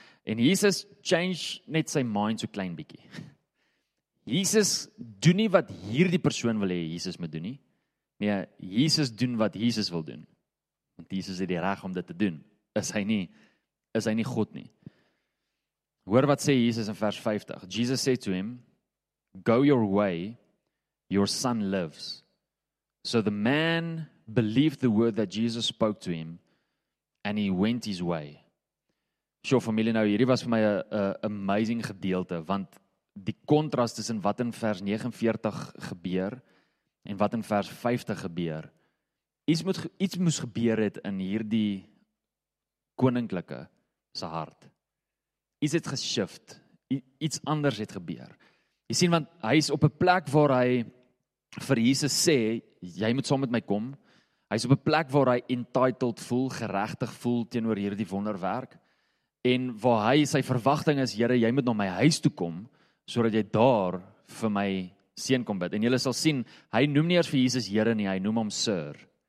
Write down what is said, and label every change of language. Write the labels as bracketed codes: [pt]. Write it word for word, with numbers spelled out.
[af] En Jesus change net sy mind so klein bietjie. Jesus doen nie wat hierdie persoon wil hê Jesus moet doen nie. Nee, Jesus doen wat Jesus wil doen. Want Jesus het die reg om dit te doen. Is hy nie is hy nie God nie. Hoor wat sê Jesus in vers vyftig. [en] Jesus said to him, "Go your way, your son lives." So the man believed the word that Jesus spoke to him and he went his way. [af] Sjoe familie, nou hierdie was vir my 'n amazing gedeelte want die kontras tussen wat in vers negenenveertig gebeur en wat in vers vyftig gebeur. Iets moet iets moes gebeur het in hierdie koninklike se hart. Iets het geshift. Iets anders het gebeur. Jy sien want hy is op 'n plek waar hy vir Jesus sê, jy moet saam met my kom. Hy is op 'n plek waar hy entitled voel, geregtig voel teenoor hierdie wonderwerk en waar hy sy verwagting is, Here, jy moet na my huis toe kom sodat jy daar vir my seën kom bid. En jy sal sien, hy noem nie eers vir Jesus Here nie, hy noem hom Sir.